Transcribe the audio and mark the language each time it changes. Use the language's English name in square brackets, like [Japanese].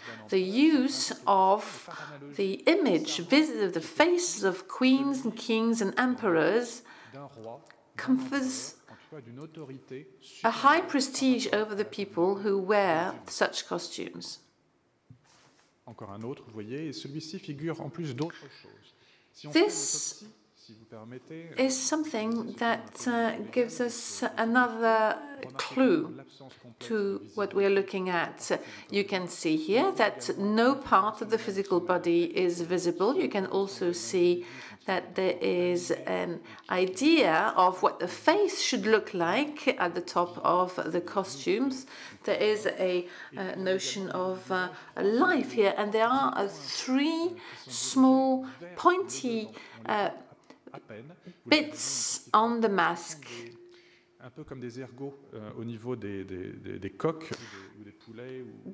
[English] The use of the image, visit of the faces of queens and kings and emperors confers a high prestige over the people who wear such costumes. [French] Encore un autre, vous voyez, et celui-ci figure en plus d'autres choses. [English] This is something that gives us another clue to what we are looking at. You can see here that no part of the physical body is visible. You can also see that there is an idea of what the face should look like at the top of the costumes. There is a notion of a life here, and there are three small pointy bits on the mask. [French] Un peu comme des ergots au niveau des coques ou des poulets ou